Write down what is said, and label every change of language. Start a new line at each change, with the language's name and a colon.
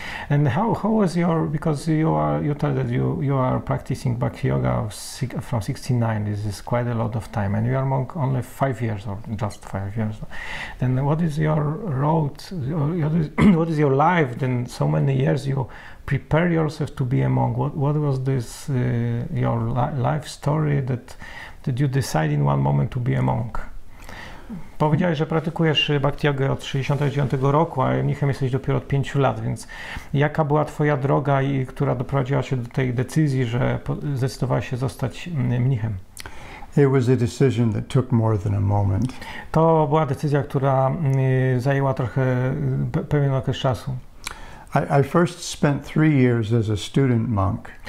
English: And how was your, because you are practicing bhakti yoga from 69, this is quite a lot of time, and you are monk only 5 years or just 5 years, then what is your road, what is your life, then so many years you prepare yourself to be a monk, what was this your life story that you decide in one moment to be a monk?
Polish: Powiedziałeś, że praktykujesz bhakti yoga od 69 roku, a mnichem jesteś dopiero od 5 lat, więc jaka była twoja droga, która doprowadziła się do tej decyzji, że zdecydowałeś się zostać mnichem?
English: It was a decision that took more than a moment.
Polish: To była decyzja, która zajęła trochę pewien okres czasu.
English: I first spent 3 years as a student monk.